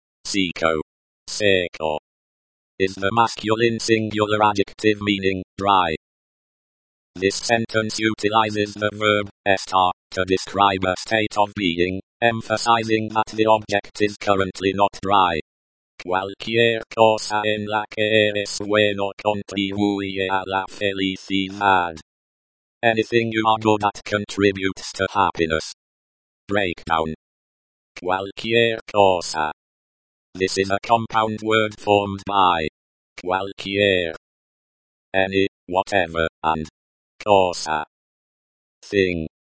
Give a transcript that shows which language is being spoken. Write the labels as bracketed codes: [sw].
[en] seco, seco, is the masculine singular adjective meaning dry. This sentence utilizes the verb estar to describe a state of being, emphasizing that the object is currently not dry. [es] Cualquier cosa en la que eres bueno contribuye a la felicidad. [en] Anything you are good at contributes to happiness. Breakdown. [es] Cualquier cosa. [en] This is a compound word formed by cualquier, any, whatever, and cosa, thing.